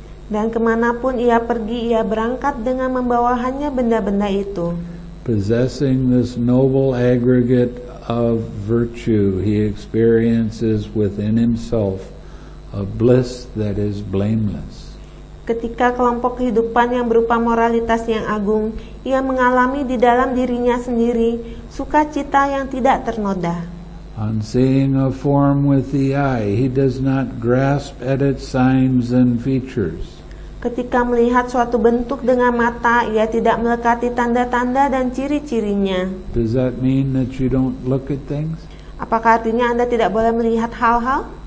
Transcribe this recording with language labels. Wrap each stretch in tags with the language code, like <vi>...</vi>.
<id>Dan kemanapun ia pergi, ia berangkat dengan membawa hanya benda-benda itu.</id> <en>Possessing this noble aggregate of virtue, he experiences within himself a bliss that is blameless.</en> <id>Ketika kelompok kehidupan yang berupa moralitas yang agung, ia mengalami di dalam dirinya sendiri sukacita yang tidak ternoda.</id> <en>On seeing a form with the eye, he does not grasp at its signs and features.</en> <id>Ketika melihat suatu bentuk dengan mata, ia tidak melekati tanda-tanda dan ciri-cirinya.</id> <en>Does that mean that you don't look at things?</en> <id>Apakah artinya Anda tidak boleh melihat hal-hal?</id>